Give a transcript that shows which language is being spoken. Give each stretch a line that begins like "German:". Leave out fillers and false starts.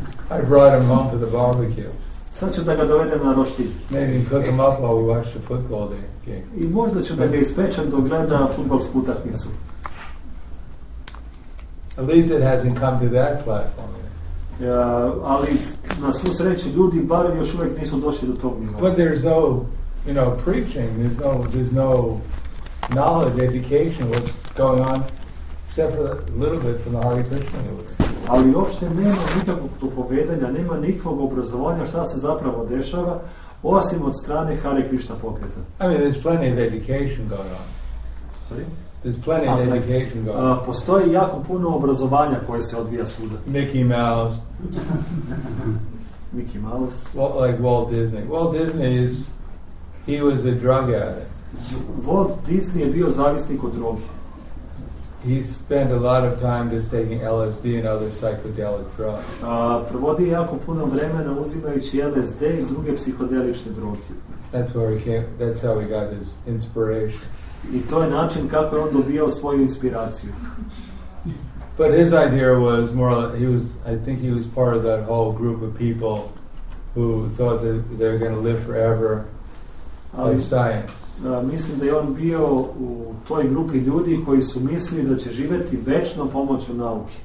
English: I brought him home to the barbecue.
Serbian: Sad ću da ga dovedem na roštilj.
English: Maybe cook him up while we watch the football game.
Serbian: I možda ću da ga ispečem dok gleda fudbalsku utakmicu.
English: At least it hasn't come to that platform.
Serbian: Ali na svu sreću ljudi bar još uvek nisu došli do tog nivoa.
English: But there's no, you know, preaching, there's no knowledge, education, what's going on, except for a little bit from the Hare Krishna movement.
Serbian: Ali uopšte nema nikakvog propovedanja, nema nikakvog obrazovanja šta se zapravo dešava, osim od strane Hare Krishna pokreta.
English: I mean, there's plenty of education going on. Sorry? There's plenty of education going on.
Serbian: Postoji jako puno obrazovanja koje se odvija svuda.
English: Mickey Mouse. Well, like Walt Disney. Walt Disney is, he was a drug addict.
Serbian: Walt Disney je bio zavisnik od droge.
English: He spent a lot of time just taking LSD and other psychedelic drugs.
Serbian: Provodi jako puno vremena uzimajući LSD i druge psihodelične droge.
English: That's where he came. That's how he got his inspiration.
Serbian: I to je način kako je on dobio svoju inspiraciju.
English: But his idea was more. He was. I think he was part of that whole group of people who thought that they were going to live forever.
Serbian: Ali,
English: science.
Serbian: Mislim da je on bio u toj grupi ljudi koji su mislili da će živjeti večno pomoću nauke.